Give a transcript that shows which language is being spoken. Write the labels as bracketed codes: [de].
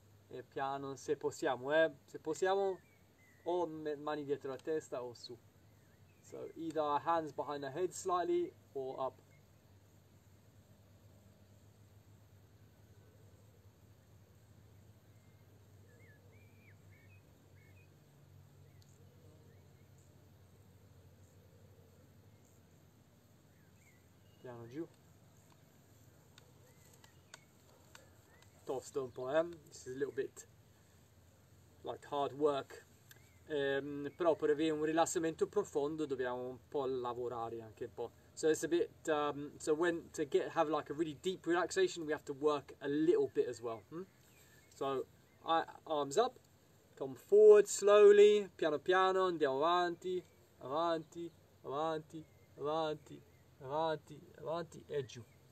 [it] E piano, se possiamo, se possiamo, o mani dietro la testa o su. [en] So either our hands behind our head slightly or up. [it] Piano giù. Tosto un po', eh? [en] This is a little bit like hard work. [it] Però per avere un rilassamento profondo dobbiamo un po' lavorare anche un po'. [en] So it's a bit so when to get have like a really deep relaxation we have to work a little bit as well. So arms up, come forward slowly, [it] piano piano, andiamo avanti, avanti, avanti, avanti, avanti, avanti e giù.